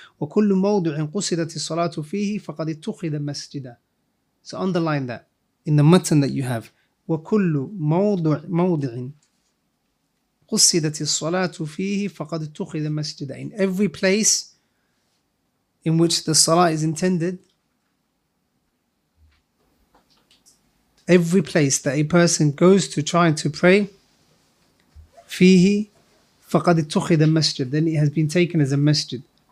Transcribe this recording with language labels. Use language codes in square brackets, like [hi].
[ar] وكل موضع قصدت الصلاة فيه فقد اتخذ مسجدا. [en] So underline that in the matan that you have. [ar] وكل موضع قصدت الصلاة فيه فقد اتخذ مسجدا. [en] In every place in which the salah is intended, Every place that a person goes to try to pray, fihi, [ar] فَقَدْ اتُّخِذَ [en] masjid, then it has been taken as a masjid.